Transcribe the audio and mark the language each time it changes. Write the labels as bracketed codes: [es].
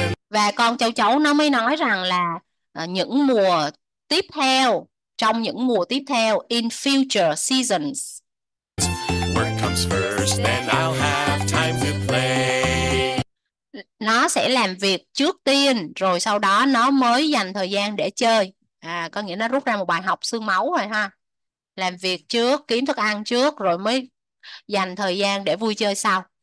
[vi] Và con châu chấu nó mới nói rằng là những mùa tiếp theo, trong những mùa tiếp theo, [en] in future seasons. Work comes first, then I'll have time to play. [vi] Nó sẽ làm việc trước tiên, rồi sau đó nó mới dành thời gian để chơi. À, có nghĩa nó rút ra một bài học xương máu rồi ha. Làm việc trước, kiếm thức ăn trước, rồi mới dành thời gian để vui chơi sau.